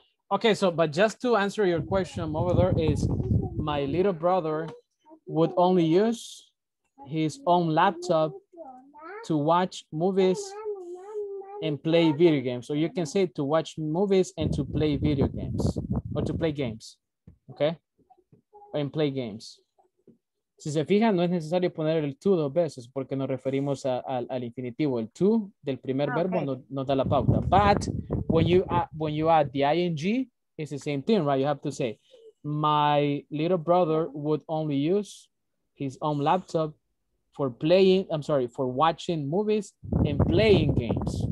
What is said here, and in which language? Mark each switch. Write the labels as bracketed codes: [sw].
[en] Okay, so, but just to answer your question over there is, my little brother would only use his own laptop to watch movies and play video games. So you can say to watch movies and to play video games or to play games, okay? And play games. [es] Si se fijan, no es necesario poner el to dos veces porque nos referimos a, al infinitivo. El to del primer verbo nos da la pauta. [en] But when you add the ing, it's the same thing, right? You have to say, my little brother would only use his own laptop for playing, I'm sorry, for watching movies and playing games.